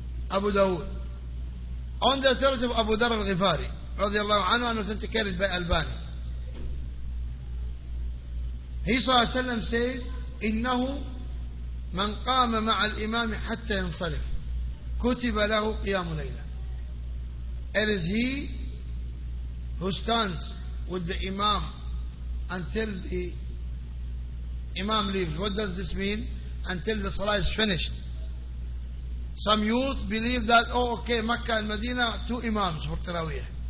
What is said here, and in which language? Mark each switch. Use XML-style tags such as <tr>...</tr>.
<en>Abu Dawud. On the authority of Abu Dharr al-Ghifari, radiallahu anhu, and authenticated by Albani. He saw a salam say,</en> <ar>"Innahu من قام مع الإمام حتى ينصرف كتب له قيام ليلة."</ar> <en>It is he who stands with the imam until the imam leaves. What does this mean? Until the salah is finished. Some youth believe that, oh, okay, Mecca and Medina, two imams for Taraweeh.</en>